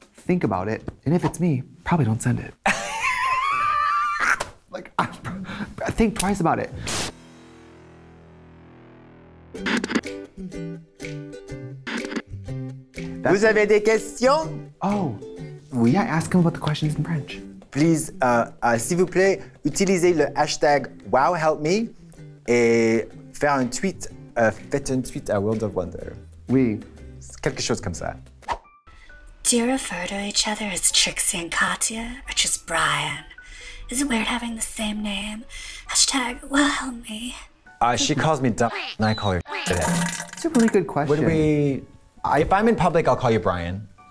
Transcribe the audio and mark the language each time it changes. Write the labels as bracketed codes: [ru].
[en] think about it, and if it's me, probably don't send it. Like, I think twice about it. That's [fr] Vous avez des questions? [en] Oh, [fr] oui, [en] I ask him about the questions in French. Please, [fr] s'il vous plaît, utilisez le hashtag WowHelpMe et faire un tweet, faites un tweet à World of Wonder. Oui. Quelque chose comme ça. [en] Do you refer to each other as Trixie and Katya or just Brian? Is it weird having the same name? Hashtag WowHelpMe. She calls me dumb and I call her today. That's a really good question. Would we... if I'm in public, I'll call you Brian.